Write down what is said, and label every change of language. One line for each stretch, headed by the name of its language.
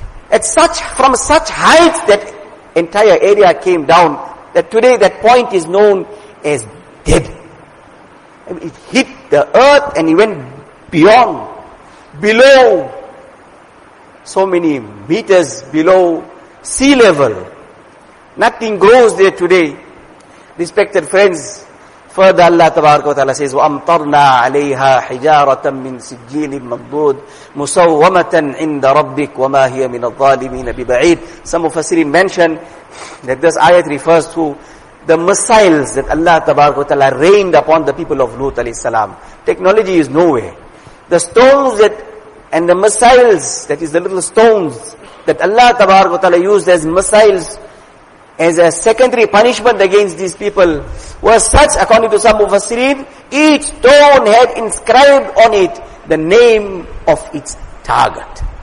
English: From such height that entire area came down, that today that point is known as dead. It hit the earth and it went beyond, below, so many meters below sea level. Nothing grows there today. Respected friends, further Allah Tabaraka wa Ta'ala says,
Arabic: وَأَمْطَرْنَا عَلَيْهَا حِجَارَةً مِّن سِجِّيلٍ مَّنْضُودٍ مُسَوَّمَةً عِنْدَ رَبِّكَ وَمَا هِيَ مِنَ الظَّالِمِينَ بِبَعِيدٍ.
English: Some Mufassirin mentioned that this ayat refers to the missiles that Allah Tabaraka wa Ta'ala rained upon the people of Lut alayhi salam. Technology is nowhere. The stones that and the missiles, that is the little stones that Allah Tabaraka wa Ta'ala used as missiles as a secondary punishment against these people, were such, according to some Mufassirin, each stone had inscribed on it the name of its target.